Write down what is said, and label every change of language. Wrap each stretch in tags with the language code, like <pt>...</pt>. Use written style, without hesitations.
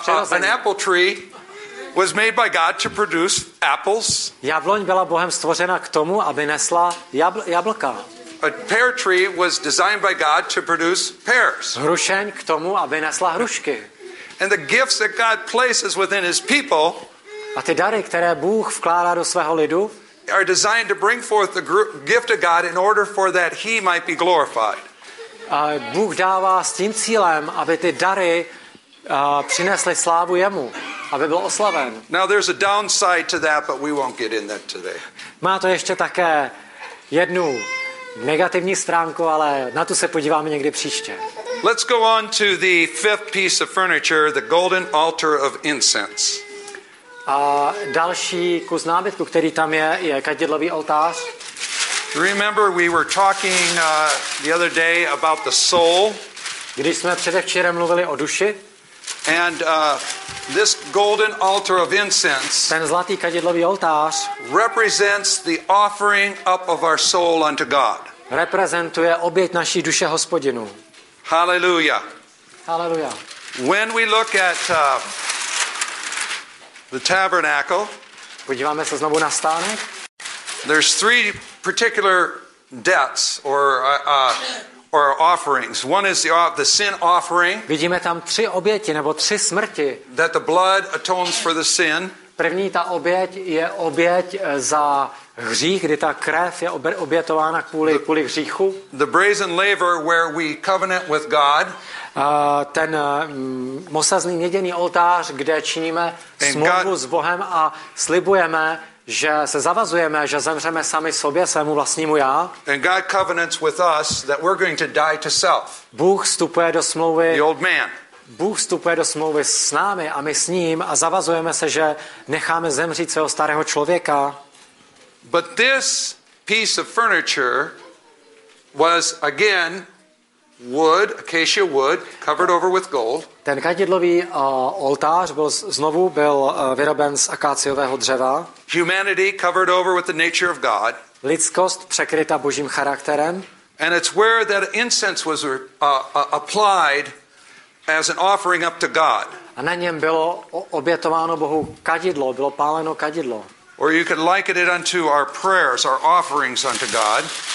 <en>An apple tree was made by God to produce apples.</en> <cs>Jabloň byla Bohem stvořena k tomu, aby nesla jablka.</cs> <en>A pear tree was designed by God to produce pears.</en> <cs>Hrušeň k tomu, aby nesla hrušky.</cs> <en>And the gifts that God places within his people,</en> <cs>a ty dary, které Bůh vkládá do svého lidu,</cs> <en>are designed to bring forth the gift of God in order for that he might be glorified.</en> <cs>Bůh dává s tím cílem, aby ty dary přinesly slávu jemu, aby byl oslaven.</cs> <en>Now there's a downside to that, but we won't get in that today.</en> <cs>Má to ještě také jednu negativní stránku, ale na tu se podíváme někdy příště.</cs> <en>Let's go on to the fifth piece of furniture, the golden altar of incense.</en> <cs>A další kus nábytku, který tam je kadidlový oltář.</cs> <en>Remember we were talking the other day about the soul?</en> <cs>Když jsme předevčírem mluvili o duši.</cs> <en>And this golden altar of incense.</en> <cs>Ten zlatý kadidlový oltář</cs> <en>represents the offering up of our soul unto God.</en> <cs>Reprezentuje oběť naší duše Hospodinu.</cs> <en>Hallelujah. Hallelujah. When we look at the tabernacle.</en> <cs>Podíváme se znovu na stánek.</cs> <en>There's three particular debts or offerings. One is the sin offering.</en> <cs>Vidíme tam tři oběti nebo tři smrti.</cs> <en>That the blood atones for the sin.</en> <cs>První ta oběť je oběť za hřích, kdy ta krev je obětována kvůli hříchu.</cs> <en>The brazen laver where we covenant with God.</en> <cs>Ten mosazný měděný oltář, kde činíme smlouvu s Bohem a slibujeme, že se zavazujeme, že zemřeme sami sobě, svému vlastnímu já.</cs> <en>And God covenants with us that we're going to die to self.</en> <cs>Bůh vstupuje do smlouvy.</cs> <en>The old man.</en> <cs>Bůh vstupuje do smlouvy s námi a my s ním a zavazujeme se, že necháme zemřít svého starého člověka.</cs> <en>But this piece of furniture was again wood, acacia wood, covered over with gold.</en> <cs>Ten kadidlový oltář byl vyroben z akáciového dřeva.</cs> <en>Humanity covered over with the nature of God.</en> <cs>Lidskost překryta Božím charakterem.</cs> <en>And it's where that incense was applied as an offering up to God.</en> <cs>A na něm bylo obětováno Bohu kadidlo, bylo páleno kadidlo.</cs> <en>Or you could liken it unto our prayers, our offerings unto God.</en>